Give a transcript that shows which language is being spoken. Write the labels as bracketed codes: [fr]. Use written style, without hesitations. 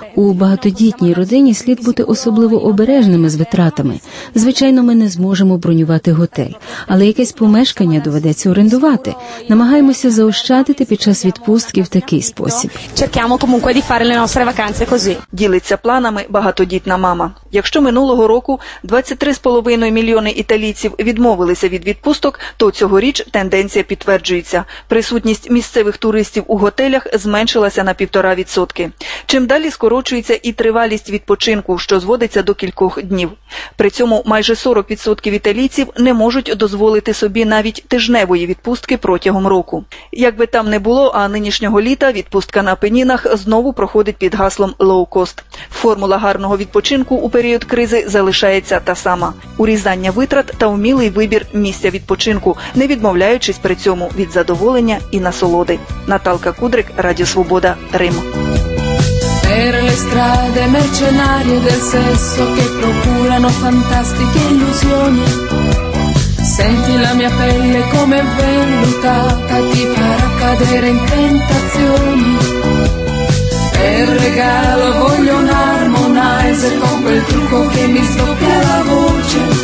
[uk] У багатодітній родині слід бути особливо обережними з витратами. Звичайно, ми не зможемо бронювати готель, але якесь помешкання доведеться орендувати. Намагаємося заощадити під час відпустки в такий спосіб. [it] Cerchiamo comunque di fare le nostre vacanze così. [uk] Ділиться планами багатодітна мама. Якщо минулого року 23,5 мільйони італійців відмовилися від відпусток, то цьогоріч тенденція підтверджується. Присутність місцевих туристів у готелях зменшилася на 1.5%. Чим далі скорочується і тривалість відпочинку, що зводиться до кількох днів. При цьому майже 40% італійців не можуть дозволити собі навіть тижневої відпустки протягом року. Як би там не було, а нинішнього літа відпустка на Пенінах знову проходить під гаслом «лоукост». Формула гарного відпочинку у період кризи залишається та сама. Урізання витрат та умілий вибір місця відпочинку, не відмовляючись при цьому від задоволення і насолоди. Наталка Кудрик, Радіо Свобода, Рим. [it] Per le strade mercenarie del sesso che procurano fantastiche illusioni, senti la mia pelle come vellutata, ti farà cadere in tentazioni. Per regalo voglio un harmonizer con quel trucco che mi sdoppia la voce.